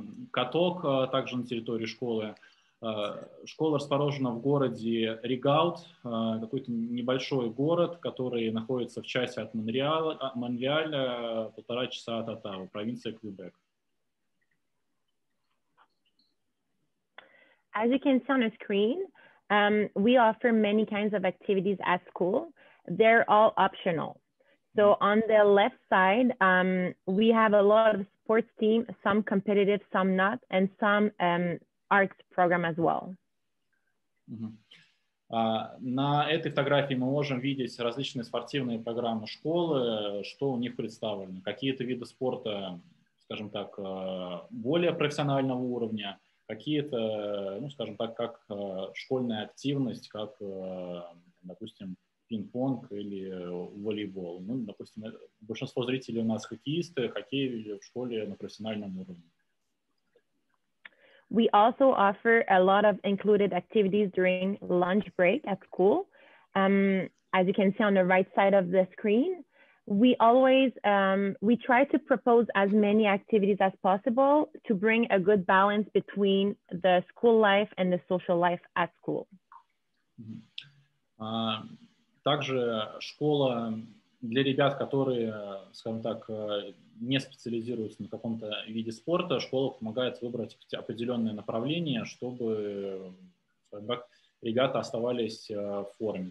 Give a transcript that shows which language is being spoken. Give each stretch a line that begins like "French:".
Russian: Каток также на территории школы. Школа расположена в городе Ригаут, какой-то небольшой город, который находится в части от Монреаля, полтора часа от Оттавы, провинция Квебек.
English: As you can see on the screen, we offer many kinds of activities at school. They're all optional. So on the left side, we have a lot of sports teams, some competitive, some not, and some arts program as well.
Russian: На этой фотографии мы можем видеть различные спортивные программы школы, что у них представлено, какие-то виды спорта, скажем так, более профессионального уровня, какие-то, ну, скажем так, как школьная активность, как, допустим, пинг-понг или волейбол. Ну, допустим, большинство зрителей у нас хоккеисты, хоккей в школе на профессиональном уровне.
English: We also offer a lot of included activities during lunch break at school. As you can see on the right side of the screen, we always, we try to propose as many activities as possible to bring a good balance between the school life and the social life at school.
Russian: Также школа для ребят, которые, скажем так, не специализируются на каком-то виде спорта, школа помогает выбрать определенное направление, чтобы ребята оставались в форме.